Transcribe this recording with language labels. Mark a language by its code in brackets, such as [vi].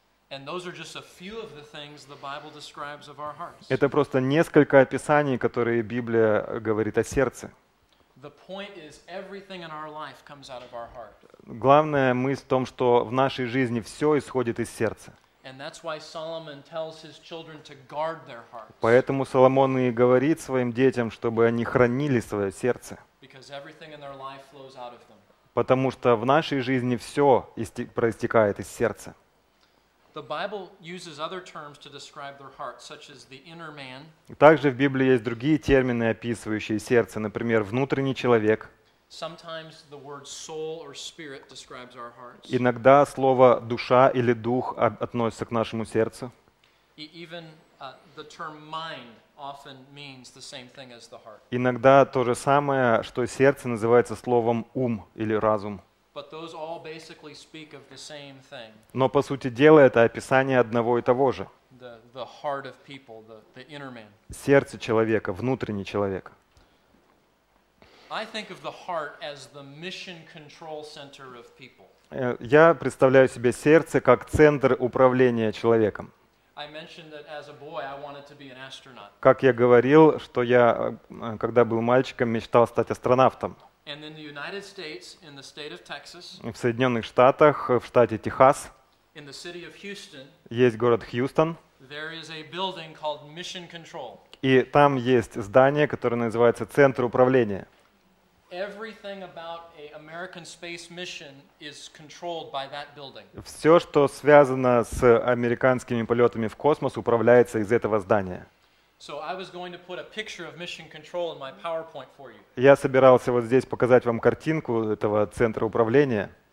[en] And those are just a few of the things the Bible describes of our hearts. [ru] Это просто несколько описаний, которые Библия говорит о сердце. [en] The point is everything in our life comes out of our heart. [ru] Главная мысль в том, что в нашей жизни все исходит из сердца. [en] And that's why Solomon tells his children to guard their hearts. [ru] Поэтому Соломон и говорит своим детям, чтобы они хранили свое сердце. [en] Because everything in their life flows out of them. [ru] Потому что в нашей жизни все проистекает из сердца. [en] The Bible uses other terms to describe their heart, such as the inner man. [ru] Также в Библии есть другие термины, описывающие сердце, например, внутренний человек. [en] Sometimes the word soul or spirit describes our hearts. [ru] Иногда слово душа или дух относится к нашему сердцу. [en] Even the term mind often means the same thing as the heart. [ru] Иногда то же самое, что сердце, называется словом ум или разум. [en] But those all basically speak of the same thing. [ru] Но по сути дела это описание одного и того же. [en] The heart of people, the inner man. [ru] Сердце человека, внутренний человек. [en] I think of the heart as the mission control center of people. [ru] Я представляю себе сердце как центр управления человеком. [en] I mentioned that as a boy I wanted to be an astronaut. [ru] Как я говорил, что я, когда был мальчиком, мечтал стать астронавтом. [en] And in the United States, in the state of Texas, [ru] в Соединенных Штатах, в штате Техас, [en] in the city of Houston, [ru] есть город Хьюстон, [en] there is a building called Mission Control. [ru] И там есть здание, которое называется Центр управления. [en] Everything about an American space mission is controlled by that building. [ru] Все, что связано с американскими полетами в космос, управляется из этого здания. [en] So I was going to put a picture of Mission Control in my PowerPoint for you. [ru] Я собирался вот здесь показать вам картинку этого центра управления.